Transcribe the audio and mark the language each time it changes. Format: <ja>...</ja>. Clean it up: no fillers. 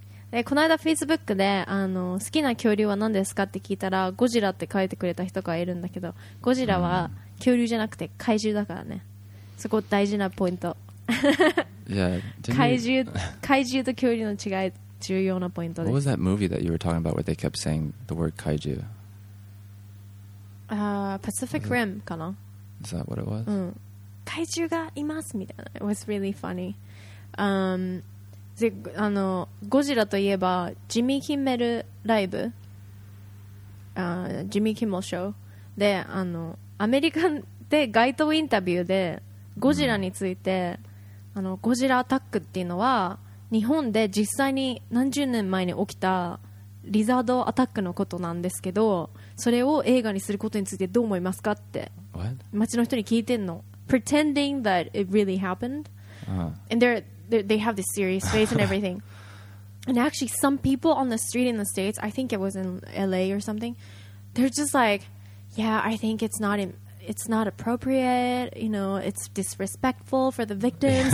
<ja>でこの間 Facebook で好きな恐竜は何ですかって聞いたらゴジラって書いてくれた人がいるんだけど、ゴジラは恐竜じゃなくて怪獣だからね、そこ大事なポイント。怪獣と恐竜の違い重要なポイントです。</ja> <en>What was that movie that you were talking about where they kept saying the word 怪獣？</en> <ja>Pacific Rim かな。</ja> <en>Is that what it was?</en> <ja>怪獣がいますみたいな。</ja> <en>It was really funny.</en> <ja>ゴジラといえばジミー・キンメルライブ、ジミー・キンメルショーで、アメリカで街頭インタビューでゴジラについて、ゴジラアタックっていうのは日本で実際に何十年前に起きたリザードアタックのことなんですけど、それを映画にすることについてどう思いますかって街の人に聞いてんの。</ja> <en>Pretending that it really happened、and they have this serious face and everything. And actually some people on the street in the States, I think it was in LA or something, they're just like, yeah, I think it's not appropriate, you know, it's disrespectful for the victims.</en>